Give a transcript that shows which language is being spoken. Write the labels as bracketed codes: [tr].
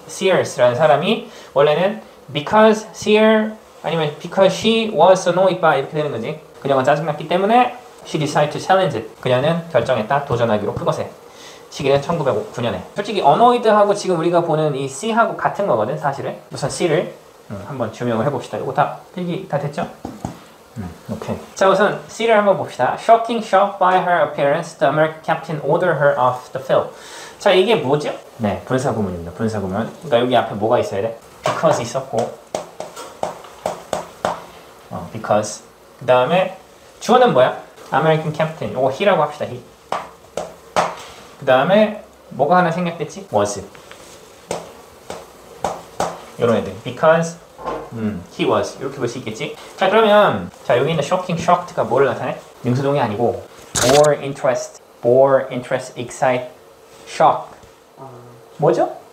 [ko] Sears라는 사람이 원래는 because Sear 아니면 [en] because she was annoyed by [ko] 이렇게 되는 거지. 그녀가 짜증났기 때문에 [en] she decided to challenge it. [ko] 그녀는 결정했다. 도전하기로 그것에. 시기는 1909년에. 솔직히 annoyed하고 지금 우리가 보는 이 C하고 같은 거거든 사실은. 우선 C를 한번 조명을 해봅시다. 이거 다 필기 다 됐죠? 오케이. 자 우선 C를 한번 봅시다. [en] Shocking shock by her appearance, the American captain ordered her off the field. [ko] 자 이게 뭐죠? 네 분사 구문입니다. 분사 구문. 그러니까 여기 앞에 뭐가 있어야 돼? Because 있었고 because 그 다음에 주어는 뭐야? American captain. 이거 he라고 합시다. he. 그 다음에 뭐가 하나 생략됐지? [en] was. [ko] 이런 애들. [en] because he was. [ko] 이렇게 볼 수 있겠지? 자 그러면 자 여기 있는 shocking shocked가 뭐를 나타내? 명사동이 아니고 bore interest bore interest excite shock 뭐죠?